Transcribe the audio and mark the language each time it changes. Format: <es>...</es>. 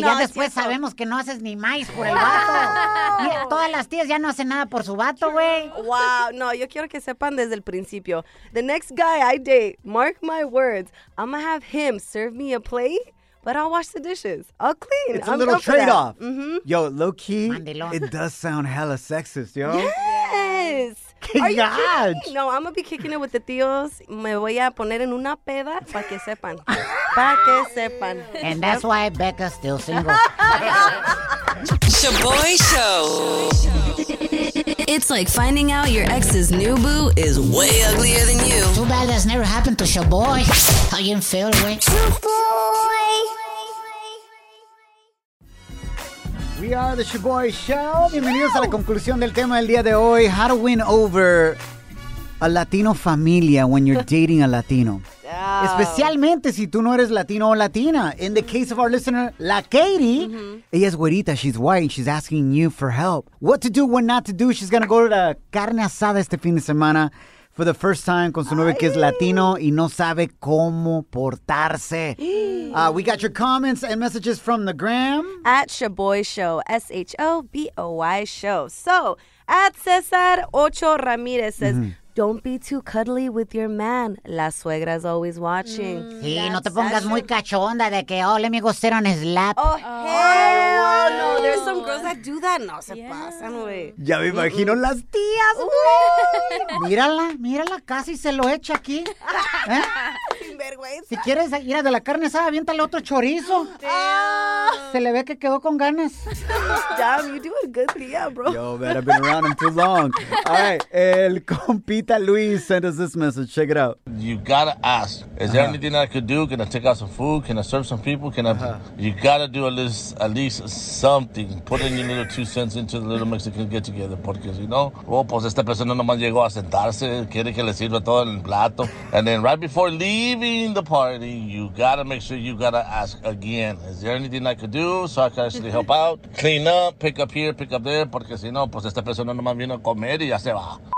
<es>No, ya después sabemos que no haces ni más por el vato. Y todas las tías ya no hacen nada por su vato, güey. Wow, no, yo quiero que sepan desde el principio.</es> <en>The next guy I date, mark my words, I'm gonna have him serve me a plate. But I'll wash the dishes. I'll clean. It's I'm a little trade-off. Mm-hmm. Yo, low-key, it does sound hella sexist, yo. Yes. Are you kidding? No, I'm going to be kicking it with the tios.</en> <es>Me voy a poner en una peda para que sepan. Para que sepan.</es> <en>And that's why Becca's still single. Shaboy Show. It's like finding out your ex's new boo is way uglier than you. Too bad that's never happened to Shaboy. How you feel, boy? Shaboy! We are the Shaboy Show.</en> <es>Bienvenidos a la conclusión del tema del día de hoy.</es> <en>How to win over a Latino familia when you're dating a Latino. Oh.</en> <es>Especialmente si tú no eres latino o latina.</es> <en>In the case of our listener, La Katie,</en> <es>mm-hmm. ella es güerita,</es> <en>she's white, and she's asking you for help. What to do, what not to do. She's going to go to the carne asada</en> <es>este fin de semana</es> <en>for the first time</en> <es>con su novio que es latino y no sabe cómo portarse.</es> <en>We got your comments and messages from the gram. At Shaboy Show, Shaboy Show. So, at Cesar Ocho Ramirez says, mm-hmm. Don't be too cuddly with your man. La suegra's always watching. Mm,</en> <es>sí, no te pongas muy cachonda de que,</es> <en>oh, let me go sit on his lap. Oh, hell no. No. There's some girls that do that.</en> <es>No, se pasan, güey. Ya me imagino las tías, güey. Mírala, casi se lo echa aquí. ¿Eh? Sin vergüenza. Si quieres ir a de la carne asada, aviéntale otro chorizo.</es> <en>Damn.</en> <es>Se le ve que quedó con ganas.</es> <en>Damn, you do a good tía, bro. Yo, man, I've been around him too long. All right, el compi. Vita Luis sent us this message. Check it out. You gotta ask. Is there anything I could do? Can I take out some food? Can I serve some people? Can I? You gotta do at least something. Put in your little 2 cents into the little Mexican get together.</en> <es>Porque,</es> <en>you know,</en> <es>oh, pues esta persona nomás llegó a sentarse. Quiere que le sirva todo en el plato.</es> <en>And then right before leaving the party, you gotta make sure you gotta ask again. Is there anything I could do so I can actually help out? Clean up, pick up here, pick up there.</en> <es>Porque si no, pues esta persona nomás vino a comer y ya se va.</es>